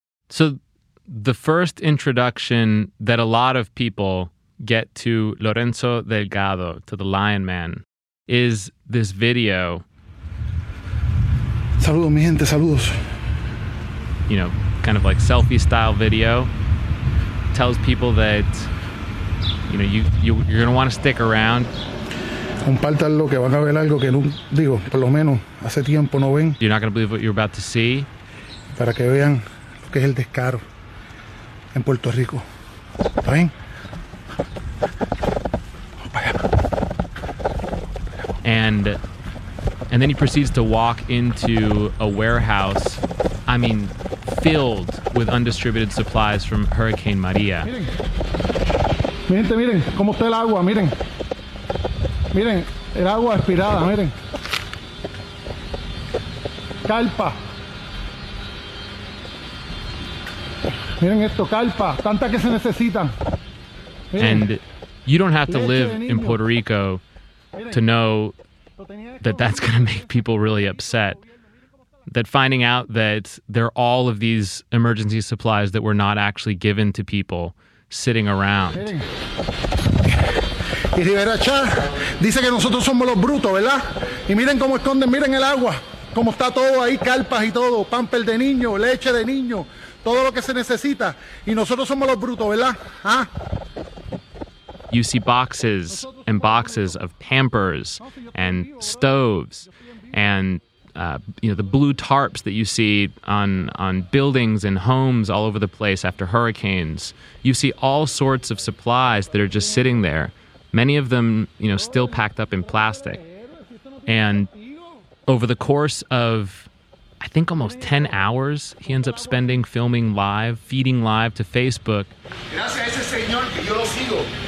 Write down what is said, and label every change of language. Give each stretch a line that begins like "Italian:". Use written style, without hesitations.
English: So the first introduction that a lot of people get to Lorenzo Delgado, to the Lion Man, is this video.
Spanish: Saludos, mi gente, saludos.
English: You know, kind of like selfie-style video. Tells people that, you know, you're going to want to stick around.
Spanish: Compártanlo, que van a ver algo que, digo, por lo menos, hace tiempo no ven.
English: You're not going to believe what you're about to see.
Spanish: Para que vean lo que es el descaro en Puerto Rico. ¿Está bien?
English: And then he proceeds to walk into a warehouse, I mean, filled with undistributed supplies from Hurricane Maria.
Spanish: Miren, miren, miren, cómo está el agua, miren. Miren, el agua expirada, miren. Carpa. Miren esto, carpa, tanta que se necesitan.
English: And you don't have to live in Puerto Rico to know that that's going to make people really upset. That finding out that there are all of these emergency supplies that were not actually given to people sitting around.
Spanish: Y Rivera Char dice que nosotros somos los brutos, ¿verdad? Y miren cómo esconden, miren el agua, cómo está todo ahí, carpas y todo, pamper de niño, leche de niño, todo lo que se necesita. Y nosotros somos los brutos, ¿verdad? ¿Ah?
English: You see boxes and boxes of Pampers and stoves and, you know, the blue tarps that you see on buildings and homes all over the place after hurricanes. You see all sorts of supplies that are just sitting there, many of them, you know, still packed up in plastic. And over the course of, I think, almost 10 hours, he ends up spending filming live, feeding live to Facebook.
Spanish: Gracias a ese señor que yo lo sigo.